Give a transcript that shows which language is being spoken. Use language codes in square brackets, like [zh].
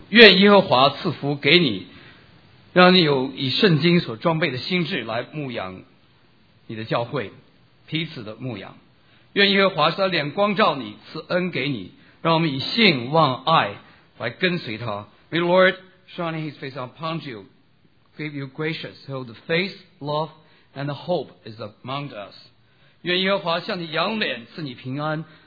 [zh] 愿耶和华赐福给你，让你有以圣经所装备的心智来牧养你的教会，彼此的牧养。愿耶和华使他脸光照你，赐恩给你，让我们以信望爱来跟随他。 [en] May Lord shine His face upon you, give you gracious, so the faith, love, and the hope is among us. [zh] 愿耶和华向你扬脸，赐你平安。